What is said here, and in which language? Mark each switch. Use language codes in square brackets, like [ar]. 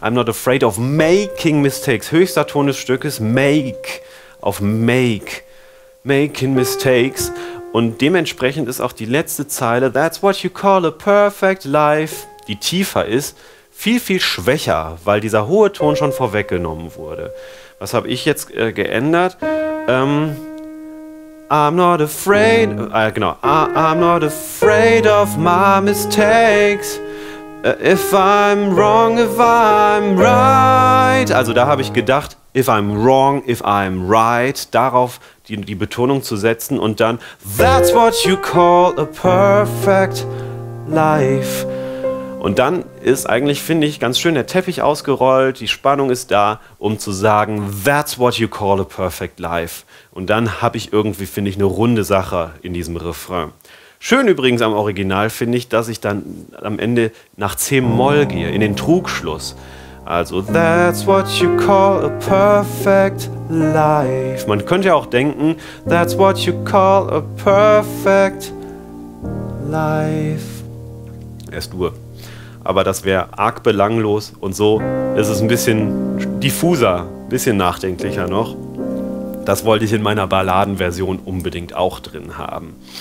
[en] I'm not afraid of making mistakes. [de] Höchster Ton des Stückes, [en] make, [de] auf make. [en] Making mistakes. [de] Und dementsprechend ist auch die letzte Zeile, [en] that's what you call a perfect life, [de] die tiefer ist, viel, viel schwächer, weil dieser hohe Ton schon vorweggenommen wurde. Was habe ich jetzt geändert? [en] I'm not afraid, [de] genau. [en] I'm not afraid of my mistakes. If I'm wrong, if I'm right. [de] Also da habe ich gedacht, [en] if I'm wrong, if I'm right, [de] darauf die Betonung zu setzen und dann [en] that's what you call a perfect life. [de] Und dann ist eigentlich, finde ich, ganz schön der Teppich ausgerollt, die Spannung ist da, um zu sagen [en] that's what you call a perfect life. [de] Und dann habe ich irgendwie, finde ich, eine runde Sache in diesem Refrain. Schön übrigens am Original finde ich, dass ich dann am Ende nach C-Moll gehe, in den Trugschluss. Also, [en] that's what you call a perfect life. [de] Man könnte ja auch denken, [en] that's what you call a perfect life. Es-Dur. [de] Aber das wäre arg belanglos und so ist es ein bisschen diffuser, ein bisschen nachdenklicher noch. Das wollte ich in meiner Balladenversion unbedingt auch drin haben.